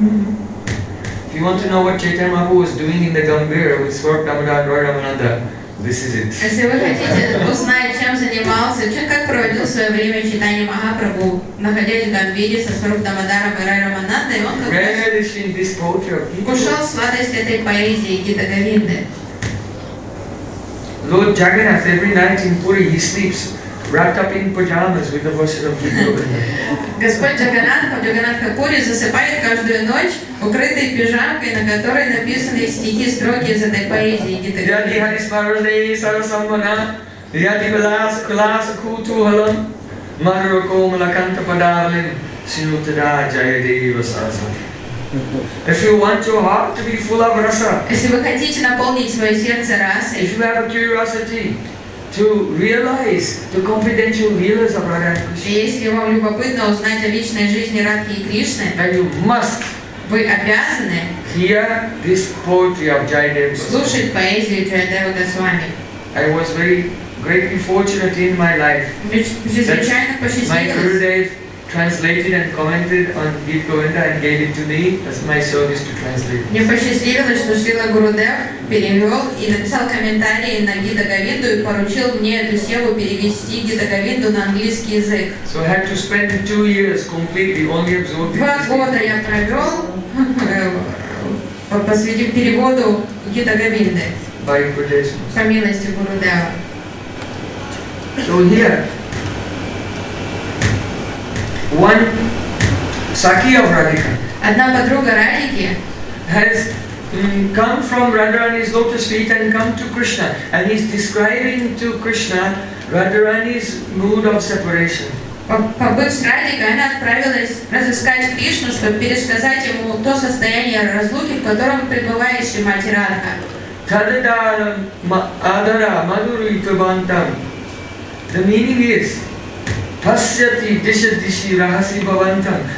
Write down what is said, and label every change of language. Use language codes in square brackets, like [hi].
[en] If you want to know what Chaitanya Mahaprabhu was doing in the Gambhir with Swarup Damodara and Roy Ramananda, this is it. [ru] Если вы хотите узнать, чем занимался, чем как проводил свое время Чайтанья Махапрабху, находясь в Гамбире со Свароп Дамодаром и Рой Раманандой, он как бы ушел сладость этой поэзии Гита Говинды. [en] Lord Jagannath, every night in Puri, he sleeps wrapped up in pajamas with the verses of Gita Govinda. [ru] Господь Джаганнатха, в Джаганнатха Пури, засыпает каждую ночь, укрытой пижамкой, на которой написаны стихи, строки из этой поэзии Гита Говинда. [sa] Яди Хари Сварали Сарасамбана, Яди Вилас Кулас Кутухалам, Марвако Малаканта Падалин, Синутра Джая Дева Сарасамбана. [en] If you want your heart to be full of rasa, [ru] если вы хотите наполнить свое сердце расой, [en] if you have a curiosity to realize the confidential realness of Radha Krishna, [ru] если вам любопытно узнать о личной жизни Радхи и Кришны, [en] then you must, [ru] вы обязаны, [en] hear this poetry of Jayadeva Goswami. [ru] Слушать поэзию Джайдева Госвами. [en] I was very greatly fortunate in my life that my Gurudev translated and commented on Gita Govinda and gave it to me as my service to translate. [ru] Мне посчастливилось, что Шрила Гурудев перевел и написал комментарии на Гита Говинду и поручил мне эту севу перевести Гита Говинду на английский язык. [en] So I had to spend 2 years completely only absorbing. [ru] 2 года я провел, посвятив переводу Гита Говинды. [en] By Gurudev. [ru] По милости Гурудева. [en] So here, one Saki of Radhika. [ru] Одна подруга Радики. [en] Has come from Radharani's lotus feet and come to Krishna, and he's describing to Krishna Radharani's mood of separation. [ru] Побыв с Радикой, она отправилась разыскать Кришну, чтобы пересказать ему то состояние разлуки, в котором пребывающая мать Радха. [sa] Tadadaram adara madurikabantam. [en] The meaning is, [sa] Pasyati disha dishi rahasi bhavantam.